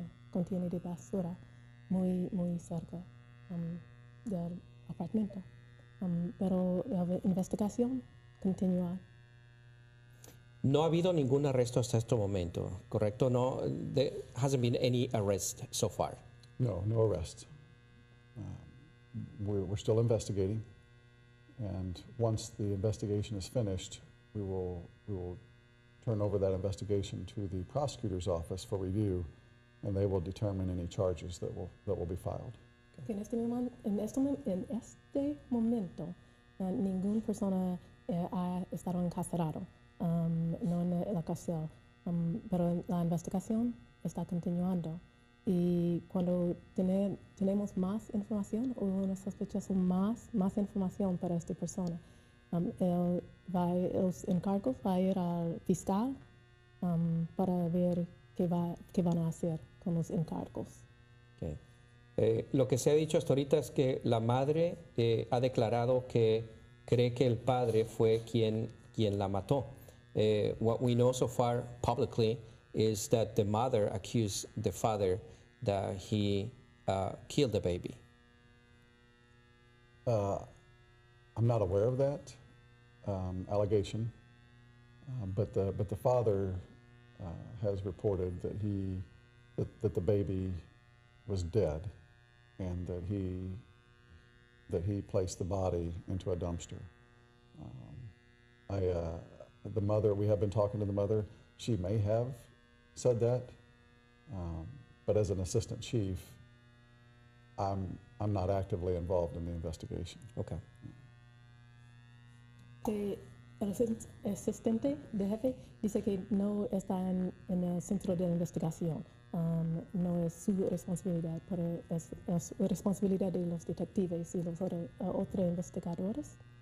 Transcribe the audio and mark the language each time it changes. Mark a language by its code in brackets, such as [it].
[es] Contiene de basura muy, muy cerca del apartamento. Pero la investigación continúa. No ha habido ningún arresto hasta este momento, ¿correcto? [en] No, there hasn't been any arrest so far. No, no arrest. We're still investigating. And once the investigation is finished, we will turn over that investigation to the prosecutor's office for review, and they will determine any charges that will be filed. Okay. [es] En este momento, ninguna persona ha estado encarcelado, no en la cárcel, pero la investigación está continuando. Y cuando tenemos más información o una sospecha más información para esta persona, los encargos va a ir al fiscal para ver qué van a hacer con los encargos. Okay. Lo que se ha dicho hasta ahorita es que la madre ha declarado que cree que el padre fue quien la mató. [en] What we know so far publicly is that the mother accused the father that he killed the baby. I'm not aware of that allegation, but the father has reported that that the baby was dead, and that he placed the body into a dumpster. The mother, we have been talking to the mother. She may have said that, but as an assistant chief, I'm not actively involved in the investigation. Okay. [es] El asistente de jefe dice que no está en el centro de la investigación, no es su responsabilidad, pero es responsabilidad de los detectives y los otros investigadores.